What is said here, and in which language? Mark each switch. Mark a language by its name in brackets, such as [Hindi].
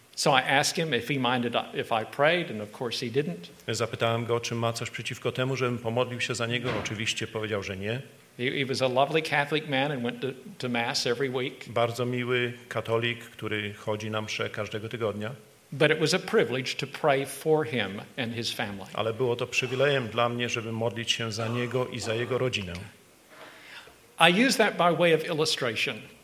[English] So I asked him if he minded if I prayed, and of course he didn't. [Polish] Zapytałem go, czy ma coś przeciwko temu, żebym pomodlił się za niego. Oczywiście powiedział, że nie. [English] He was a lovely Catholic man and went to mass every week. [Polish] Bardzo miły katolik, który chodzi na mszę każdego tygodnia. [English] But it was a privilege to pray for him and his family. [Polish] Ale było to przywilejem dla mnie, żeby modlić się za niego i za jego rodzinę. [English] I use that by way of illustration.